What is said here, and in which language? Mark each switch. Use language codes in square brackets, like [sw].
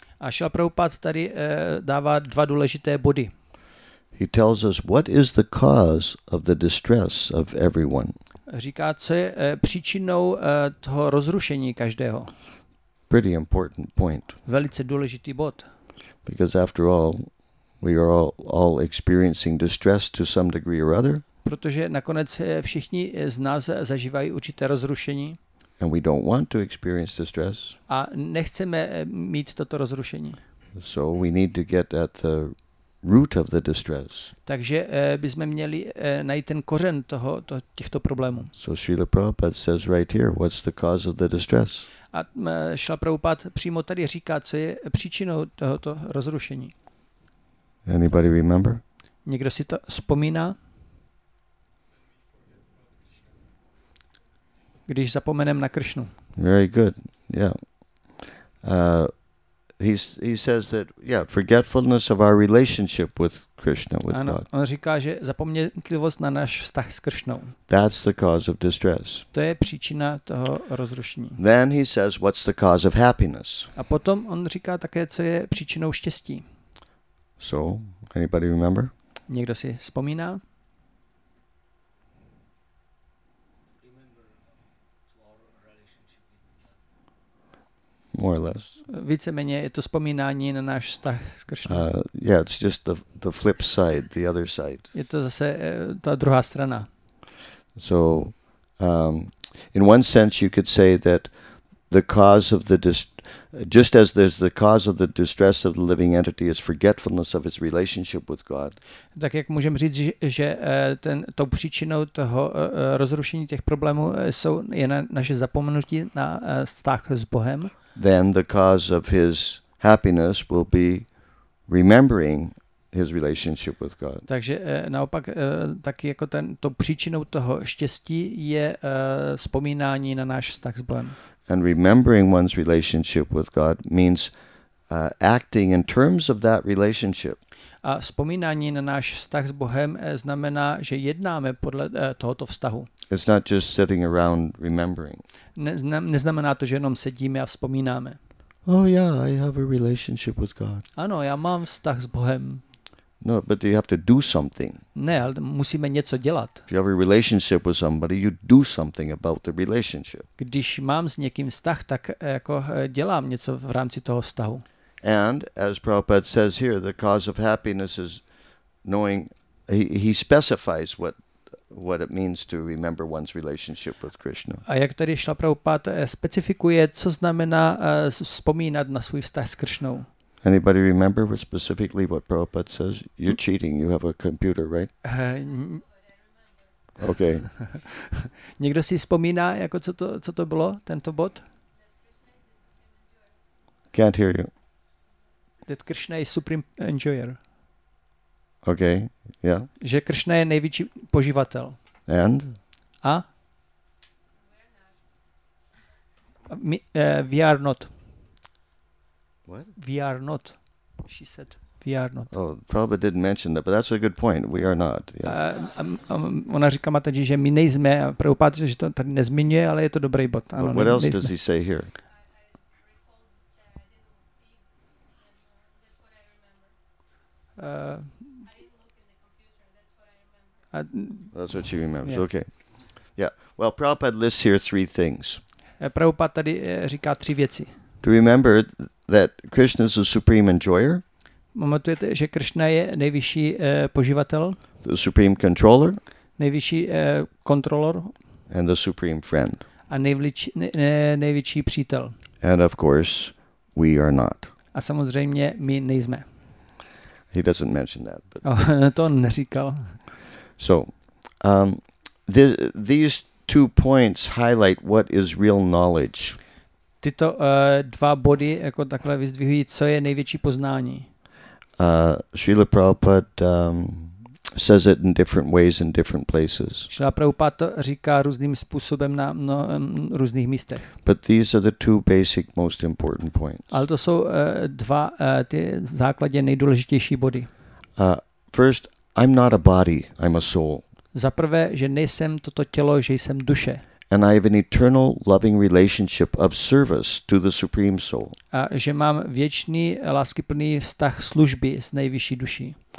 [cs] A Srila Prabhupada tady dává dva důležité body. [en] He tells us what is the cause of the distress of everyone. [cs] Říká, co je příčinou toho rozrušení každého. [en] Pretty important point. [cs] Velice důležitý bod. [en] Because after all, we are all experiencing distress to some degree or other. [cs] Protože nakonec všichni z nás zažívají určité rozrušení. [en] And we don't want to experience distress. [cs] A nechceme mít toto rozrušení. [en] So we need to get at the root of the distress. [cs] Takže bychom měli najít ten kořen těchto problémů. [en] So Srila Prabhupada says right here, what's the cause of the distress? [cs] A Srila Prabhupada přímo tady říká, co je příčinou tohoto rozrušení. [en] Anybody remember? [cs] Někdo si to vzpomíná? Když zapomenem na Kršnu. [en] Very good. Yeah. He says that yeah, forgetfulness of our relationship with Krishna with [cs] ano, [en] God. [cs] On říká, že zapomnětlivost na náš vztah s Kršnou. [en] That's the cause of distress. [cs] To je příčina toho rozrušení. [en] Then he says what's the cause of happiness? [cs] A potom on říká také, co je příčinou štěstí. [en] So, anybody remember? [cs] Někdo si vzpomíná? [en] More or less. [cs] Víceméně je to vzpomínání na náš vztah s Kršnou. [en] Yeah, it's just the flip side, the other side. [cs] Je to zase ta druhá strana. [en] So, in one sense, you could say that the cause of the just as there's the cause of the distress of the living entity is forgetfulness of its relationship with God. [cs] Tak jak můžeme říct, že ten tou příčinou toho rozrušení těch problémů jsou je naše zapomenutí na vztah s Bohem. [en] Then the cause of his happiness will be remembering his relationship with God. [cs] Takže naopak taky jako ten to příčinou toho štěstí je vzpomínání na náš vztah s Bohem. [en] And remembering one's relationship with God means acting in terms of that relationship. [cs] A vzpomínání na náš vztah s Bohem znamená, že jednáme podle tohoto vztahu. [en] It's not just sitting around remembering. [cs] Neznamená to, že jenom sedíme a vzpomínáme. [en] Oh yeah, I have a relationship with God. [cs] Ano, já mám vztah s Bohem. [en] No, but you have to do something. [cs] Ne, ale musíme něco dělat. [en] If you have a relationship with somebody, you do something about the relationship. [cs] Když mám s někým vztah, tak jako dělám něco v rámci toho vztahu. [en] And as Prabhupada says here, the cause of happiness is knowing. He specifies what it means to remember one's relationship with Krishna. [cs] A jak tady Šrila Prabhupada specifikuje, co znamená vzpomínat na svůj vztah s Kršnou? [en] Anybody remember specifically what Prabhupada says? You're cheating. You have a computer, right? Okay. [cs] Někdo si vzpomíná, jako co to bylo tento bod? [en] Can't hear you. That Krishna is supreme enjoyer. Okay, yeah. [cs] Že Krishna je největší poživatel. [en] And? [cs] A? [en] We are not. What? We are not. She said, we are not. Oh, probably didn't mention that, but that's a good point. We are not. Yeah. [cs] Ona říká Mataji, že my nejsme. Prabhupada, že to tady nezmiňuje, ale je to dobrý bod. Ano, [en] but what else [cs] nejsme. [en] Does he say here? That's what she remembers. Yeah. Okay. Yeah. Well, Prabhupada lists here three things. [cs] Prabhupada tady říká tři věci. [en] To remember that Krishna is the supreme enjoyer. [cs] Pamatujete, že Krishna je nejvyšší poživatel. [en] The supreme controller. [cs] Nejvyšší kontrolor. [en] And the supreme friend. [cs] A největší přítel. [en] And of course, we are not. [cs] A samozřejmě my nejsme. [en] He doesn't mention that. But [cs] to on neříkal. [en] So, these two points highlight what is real knowledge. [cs] Tyto dva body jako takhle vyzdvihují, co je největší poznání. [en] Srila Prabhupada says it in different ways in different places. [cs] Srila Prabhupada to říká různým způsobem na různých místech. [en] But these are the two basic most important points. [cs] Ale to jsou dva ty základně nejdůležitější body. [en] First, I'm not a body, I'm a soul. [cs] Za prvé, že nejsem toto tělo, že jsem duše. [en] And I have an eternal loving relationship of service to the supreme soul. [cs] A že mám věčný láskyplný vztah služby s nejvyšší duší.